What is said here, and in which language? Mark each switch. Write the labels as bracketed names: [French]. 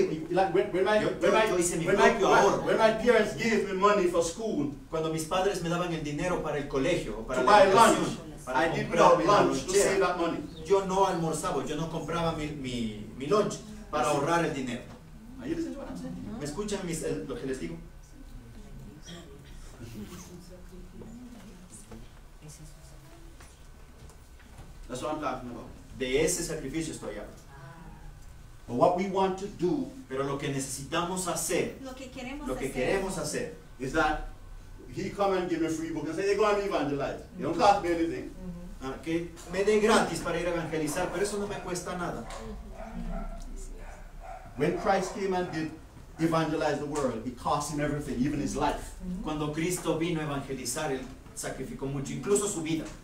[English] When my parents gave me money for school, [Spanish] cuando mis padres me daban el dinero para el colegio o para [English] to buy lunch, para I didn't buy lunch to save that money. [Spanish] Yo no almorzaba, yo no compraba mi lunch para ahorrar el dinero. ¿Me escuchan lo que les digo? [English] That's what I'm talking about. [Spanish] De ese sacrificio estoy hablando. [English] But what we want to do, [Spanish] pero lo que necesitamos hacer, lo que queremos hacer, [English] is that he come and give me free book and say, go and evangelize. Mm-hmm. It don't cost me anything. Mm-hmm. [Spanish] Que me den gratis para ir a evangelizar, pero eso no me cuesta nada. Mm-hmm. [English] When Christ came and did evangelize the world, it cost him everything, even his life. Mm-hmm. [Spanish] Cuando Cristo vino a evangelizar, él sacrificó mucho, incluso su vida.